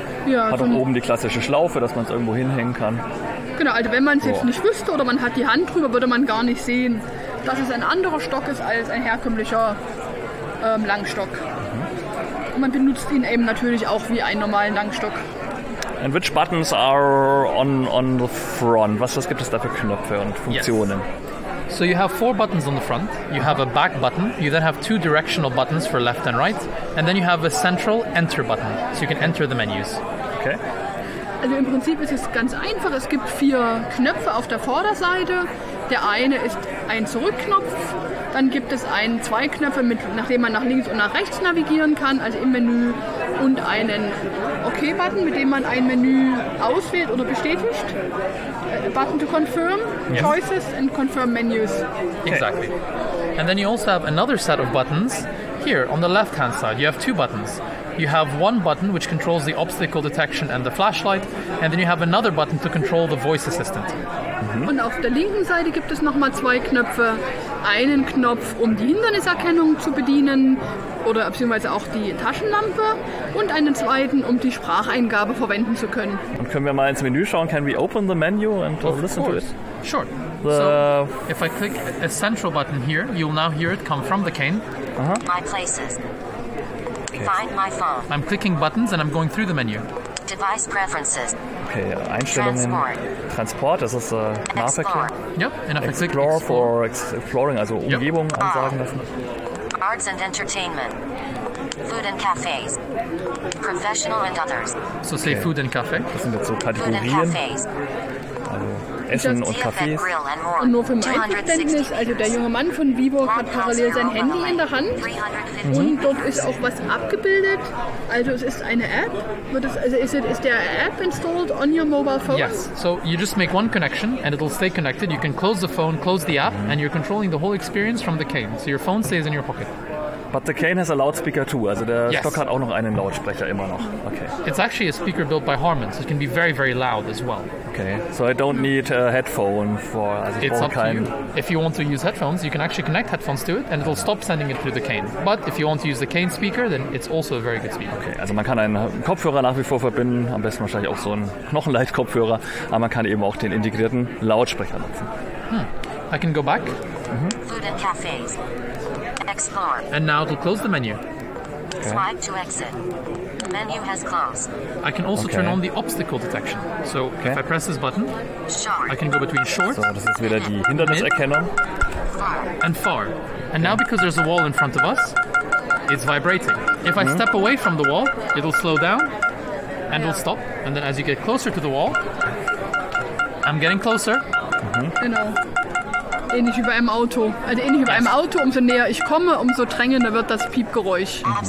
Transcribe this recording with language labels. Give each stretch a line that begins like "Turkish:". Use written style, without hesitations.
German: Ja, hat auch oben die klassische Schlaufe, dass man es irgendwo hinhängen kann. Genau, also wenn man es jetzt nicht wüsste oder man hat die Hand drüber, würde man gar nicht sehen, dass es ein anderer Stock ist als ein herkömmlicher Langstock. Mhm. Und man benutzt ihn eben natürlich auch wie einen normalen Langstock.
English: And which buttons are on the front?
German: Was gibt es da für Knöpfe und Funktionen?
English: Yes. So you have four buttons on the front. You have a back button. You then have two directional buttons for left and right. And then you have a central enter button. So you can enter the menus. Okay.
German: Also im Prinzip ist es ganz einfach. Es gibt vier Knöpfe auf der Vorderseite. Der eine ist ein Zurückknopf. Dann gibt es zwei Knöpfe, nachdem man nach links und nach rechts navigieren kann, also im Menü. Und einen OK-Button, mit dem man ein Menü auswählt oder bestätigt.
English: Button to confirm, yes. Choices and confirm menus. Exactly. And then you also have another set of buttons here on the left-hand side. You have two buttons. You have one button which controls the obstacle detection and the flashlight, and then you have another button to control the voice assistant. Mm-hmm.
German: Und auf der linken Seite gibt es nochmal zwei Knöpfe. Einen Knopf, um die Hinderniserkennung zu bedienen, oder beziehungsweise auch die Taschenlampe, und einen zweiten, um die Spracheingabe verwenden zu können. Und können wir mal ins Menü schauen?
English: Can we open the menu and listen to it? Sure. So, if I click a central button here, you'll now hear it come from the cane. Uh-huh. My places. Okay. Find my phone. I'm clicking buttons and I'm going through the menu. Device preferences.
German: Okay, Einstellungen. Transport, das ist Nahverkehr. Yep.
English: Explore for exploring, also yep.
German: Umgebung ansagen lassen.
English: Arts and entertainment. Food and cafes. Professional and others. So say okay. Food and cafe.
German: Das sind jetzt so Kategorien. Also Essen und Cafés. Und nur für mein Verständnis, also der junge Mann von WeWalk hat parallel sein Handy in der Hand. Mhm. Und dort ist auch was abgebildet. Also es ist eine App. Ist der App
English: installed on your mobile phone? Yes. So you just make one connection and it'll stay connected. You can close the phone, close the app, mhm. And you're controlling the whole experience from the cane. So your phone stays in your pocket. But the cane has a loudspeaker too.
German: Also der yes. Stock hat auch noch einen Lautsprecher immer noch. Okay.
English: It's actually a speaker built by Harman's. It can be very, very loud as well. Okay. So I don't need a headphone for... Also it's up to you. If you want to use headphones, you can actually connect headphones to it and it'll stop sending it through the cane. But if you want to use the cane speaker, then it's also a very good speaker.
German: Okay, also man kann einen Kopfhörer nach wie vor verbinden, am besten wahrscheinlich auch so einen Knochenleitkopfhörer, aber man kann eben auch den integrierten Lautsprecher nutzen.
English: I can go back. Mm-hmm. Food and cafes. Explore. And now it'll close the menu. Okay. Swipe to exit. Menu has closed. I can also turn on the obstacle detection. So if I press this button, short. I can go between short.
German: So das ist wieder die Hinderniserkennung.
English: Far. And far. And now because there's a wall in front of us, it's vibrating. If I step away from the wall, it'll slow down and it'll stop. And then as you get closer to the wall, I'm getting closer.
German: Genau. Ähnlich wie bei einem Auto. Also ähnlich wie bei einem Auto, umso näher ich komme, umso drängender wird das Piepgeräusch.